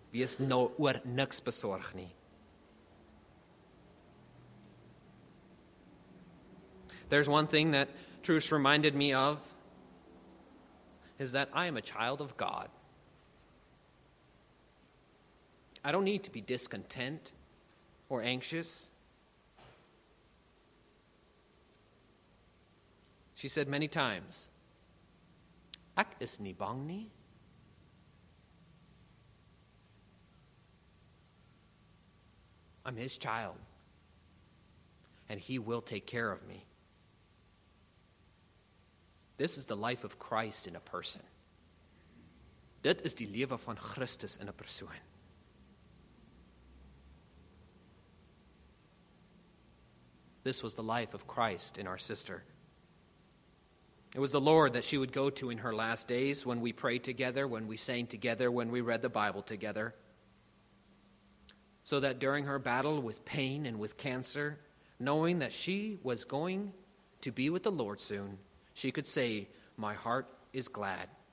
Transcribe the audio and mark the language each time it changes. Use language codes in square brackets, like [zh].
[af] Wees nou oor niks besorg nie. [en] There's one thing that Truce reminded me of, is that I am a child of God. I don't need to be discontent or anxious. She said many times, [af] ek is nie bang nie. [en] I'm his child, and he will take care of me. This is the life of Christ in a person. [af] Dit is die lewe van Christus in 'n persoon. [en] This was the life of Christ in our sister. It was the Lord that she would go to in her last days when we prayed together, when we sang together, when we read the Bible together. So that during her battle with pain and with cancer, knowing that she was going to be with the Lord soon, she could say, my heart is glad.